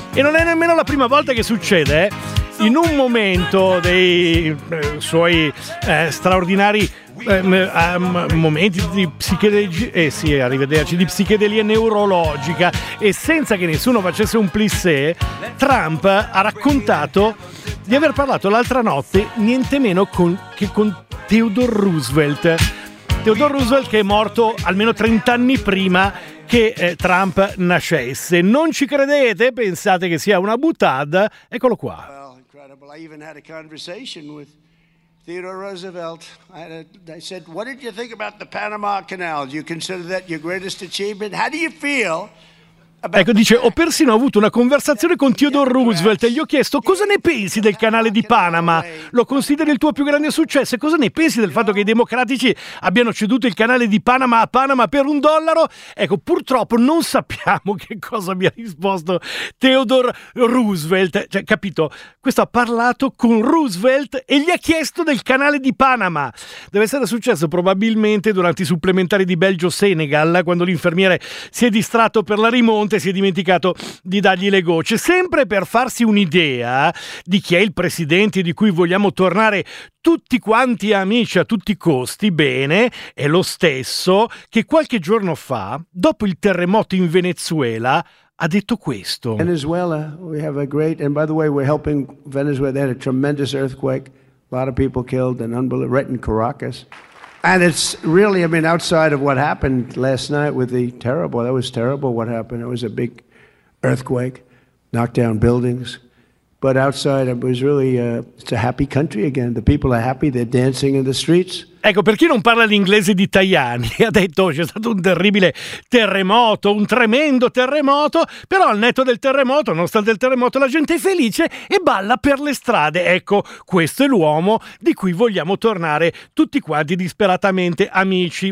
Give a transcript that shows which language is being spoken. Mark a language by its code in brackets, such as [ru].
[it] E non è nemmeno la prima volta che succede, In un momento dei suoi straordinari momenti di psichedelia, arrivederci, di psichedelia neurologica, e senza che nessuno facesse un plissé, Trump ha raccontato di aver parlato l'altra notte niente meno che con Theodore Roosevelt. Theodore Roosevelt, che è morto almeno 30 anni prima che Trump nascesse. Non ci credete? Pensate che sia una buttada? Eccolo qua. [en] Well, I even had a conversation with Theodore Roosevelt. I said, what did you think about the Panama Canal? Do you consider that your greatest achievement? How do you feel? [it] Ecco, dice, ho persino avuto una conversazione con Theodore Roosevelt e gli ho chiesto, cosa ne pensi del canale di Panama? Lo consideri il tuo più grande successo? E cosa ne pensi del fatto che i democratici abbiano ceduto il canale di Panama a Panama per un dollaro? Ecco, purtroppo non sappiamo che cosa abbia risposto Theodore Roosevelt. Cioè, capito? Questo ha parlato con Roosevelt e gli ha chiesto del canale di Panama. Deve essere successo probabilmente durante i supplementari di Belgio-Senegal, quando l'infermiere si è distratto per la rimonta Conte si è dimenticato di dargli le gocce. Sempre per farsi un'idea di chi è il presidente di cui vogliamo tornare tutti quanti amici a tutti i costi, bene, è lo stesso che qualche giorno fa, dopo il terremoto in Venezuela, ha detto questo. [en] Venezuela, we have a great, and by the way, we're helping Venezuela. They had a tremendous earthquake, a lot of people killed, and unbelievable, right in Caracas. And it's really, I mean, outside of what happened last night with the terrible, that was terrible what happened. It was a big earthquake, knocked down buildings. But outside, it was really, it's a happy country again. The people are happy, they're dancing in the streets. [it] Ecco, per chi non parla l'inglese di Tajani, ha detto c'è stato un terribile terremoto, un tremendo terremoto, però al netto del terremoto, nonostante il terremoto, la gente è felice e balla per le strade. Ecco, questo è l'uomo di cui vogliamo tornare tutti quanti disperatamente amici.